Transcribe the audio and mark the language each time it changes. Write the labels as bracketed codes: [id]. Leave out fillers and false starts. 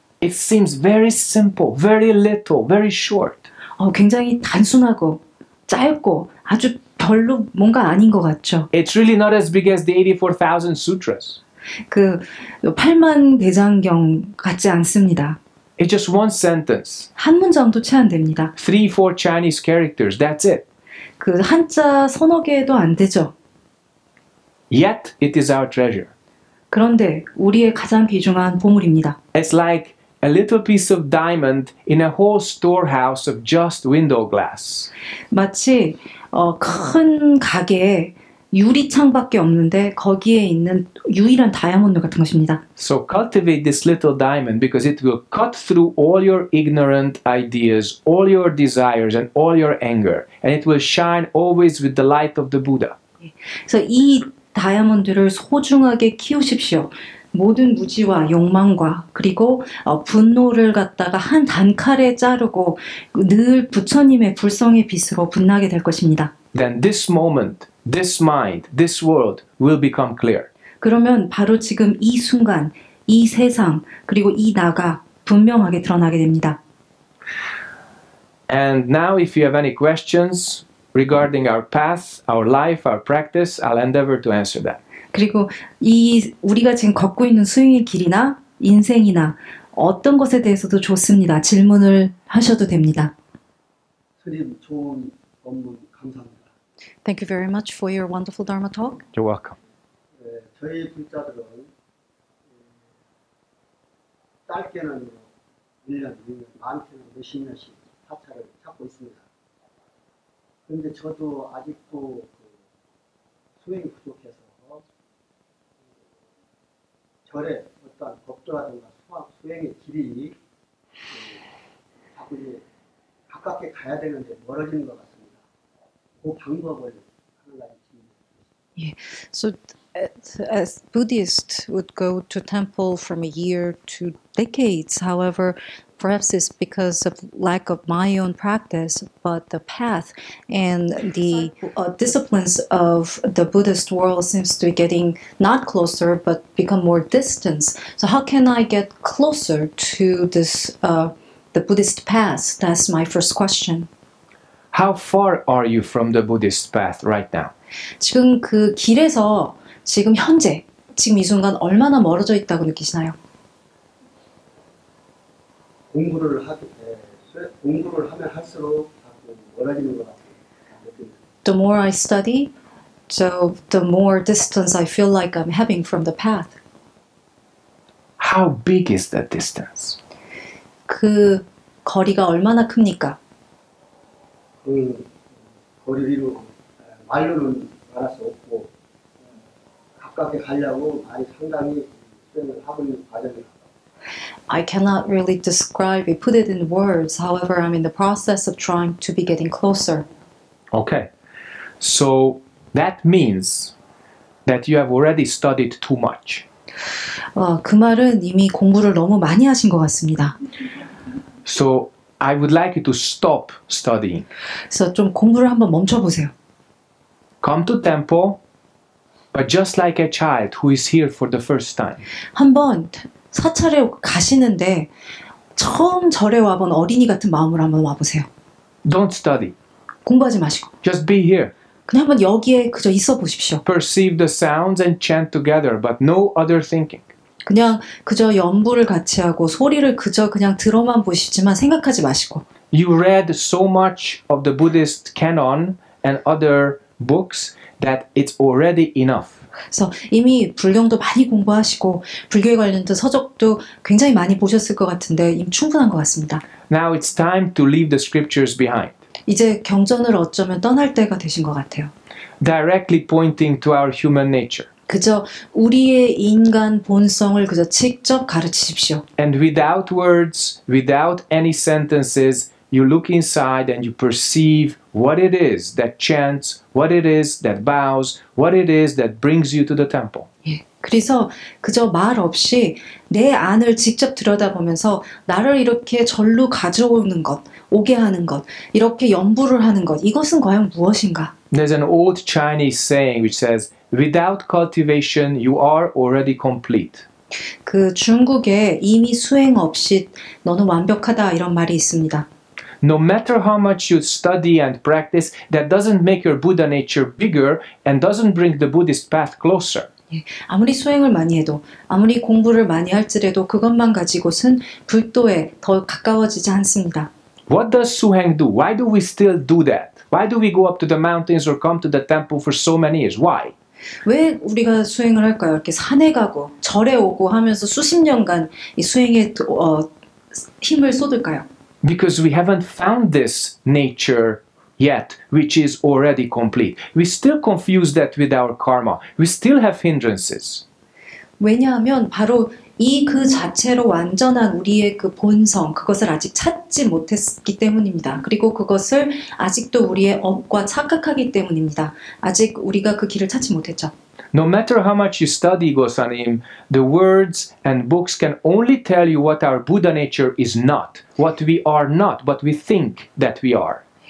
[en] It seems very simple, very little, very short. [ko] 굉장히 단순하고 짧고 아주 별로 뭔가 아닌 것 같죠. [en] It's really not as big as the 84,000 sutras. [ko] 그 8만 대장경 같지 않습니다. [en] It's just one sentence. [ko] 한 문장도 채 안 됩니다. [en] 3-4 Chinese characters. That's it. [ko] 그 한자 서너 개도 안 되죠. [en] Yet it is our treasure. [ko] 그런데 우리의 가장 귀중한 보물입니다. [en] It's like a little piece of diamond in a whole storehouse of just window glass. [ko] 마치 큰 가게에 유리 창밖에 없는데 거기에 있는 유일한 다이아몬드 같은 것입니다. [en] So cultivate this little diamond because it will cut through all your ignorant ideas, all your desires and all your anger and it will shine always with the light of the Buddha. [ko] 그래서 이 다이아몬드를 소중하게 키우십시오. 모든 무지와 욕망과 그리고 분노를 갖다가 한 단칼에 자르고 늘 부처님의 불성의 빛으로 빛나게 될 것입니다. [en] Then this moment, this mind, this world will become clear. [ko] 그러면 바로 지금 이 순간, 이 세상, 그리고 이 나가 분명하게 드러나게 됩니다. [en] And now if you have any questions regarding our path, our life, our practice, I'll endeavor to answer that. [ko] 그리고 이 우리가 지금 걷고 있는 수행의 길이나 인생이나 어떤 것에 대해서도 좋습니다. 질문을 하셔도 됩니다. 스님, 좋은 법문 감사합니다. [en] Thank you very much for your wonderful Dharma talk. You're welcome. 네, [ko] 저희 불자들은 짧게는 1년, 많게는 몇십 년씩 사찰을 찾고 있습니다. 그런데 저도 아직도 수행이 부족해서 절에 어떤 법도라든가 수행의 길이 자꾸 이제 가깝게 가야 되는데 멀어지는 것 같습니다. 그 방법을 하는가요? [en] So as Buddhists would go to temple from a year to decades, however, perhaps it's because of lack of my own practice, but the path and the disciplines of the Buddhist world seems to be getting not closer, but become more distant. So how can I get closer to this the Buddhist path? That's my first question. How far are you from the Buddhist path right now? [ko] 지금 그 길에서 지금 현재, 지금 이 순간 얼마나 멀어져 있다고 느끼시나요? 공부를 하게 돼. 공부를 하면 할수록 멀어지는 것 같아요. [en] The more I study, so the more distance I feel like I'm having from the path. How big is that distance? [ko] 그 거리가 얼마나 큽니까? 그 거리로 말로는 말할 수 없고 가깝게 가려고 많이 상담이 수행을 하고 있는 과정입니다. [en] I cannot really describe it, put it in words. However, I'm in the process of trying to be getting closer. Okay. So that means that you have already studied too much. [ko] 그 말은 이미 공부를 너무 많이 하신 것 같습니다. [en] So I would like you to stop studying. [ko] 그래서 좀 공부를 한번 멈춰보세요. [en] Come to temple. But just like a child who is here for the first time. [ko] 한번 사찰에 가시는데 처음 절에 와본 어린이 같은 마음으로 한번 와보세요. [en] Don't study. [ko] 공부하지 마시고. [en] Just be here. [ko] 그냥 한번 여기에 그저 있어 보십시오. [en] Perceive the sounds and chant together, but no other thinking. [ko] 그냥 그저 연부를 같이 하고 소리를 그저 그냥 들어만 보시지만 생각하지 마시고. [en] You read so much of the Buddhist canon and other books that it's already enough. [ko] 그래서 이미 불경도 많이 공부하시고 불교에 관련된 서적도 굉장히 많이 보셨을 것 같은데 이미 충분한 것 같습니다. [en] Now it's time to leave the scriptures behind. [ko] 이제 경전을 어쩌면 떠날 때가 되신 것 같아요. [en] Directly pointing to our human nature. [ko] 그저 우리의 인간 본성을 그저 직접 가르치십시오. [en] And without words, without any sentences, you look inside and you perceive what it is that chants, what it is that bows, what it is that brings you to the temple. [ko] 예, 그래서 그저 말 없이 내 안을 직접 들여다보면서 나를 이렇게 절로 가져오는 것, 오게 하는 것, 이렇게 연부를 하는 것, 이것은 과연 무엇인가? [en] There's an old Chinese saying which says, without cultivation, you are already complete. [ko] 그 중국에 이미 수행 없이 너는 완벽하다 이런 말이 있습니다. [en] no matter how much you study and practice, that doesn't make your Buddha nature bigger and doesn't bring the Buddhist path closer. [ko] 아무리 수행을 많이 해도, 아무리 공부를 많이 할지라도 그것만 가지고선 불도에 더 가까워지지 않습니다. [en] What does Suheng do? Why do we still do that? Why do we go up to the mountains or come to the temple for so many years? Why? [ko] 왜 우리가 수행을 할까요? 이렇게 산에 가고 절에 오고 하면서 수십 년간 이 수행에 힘을 쏟을까요? [en] Because we haven't found this nature yet, which is already complete. We still confuse that with our karma. We still have hindrances. [ko] 왜냐하면 바로 이 그 자체로 완전한 우리의 그 본성, 그것을 아직 찾지 못했기 때문입니다. 그리고 그것을 아직도 우리의 업과 착각하기 때문입니다. 아직 우리가 그 길을 찾지 못했죠. [en] No matter how much you study, Gosanim, the words and books can only tell you what our Buddha nature is not, what we are not, what we think that we are.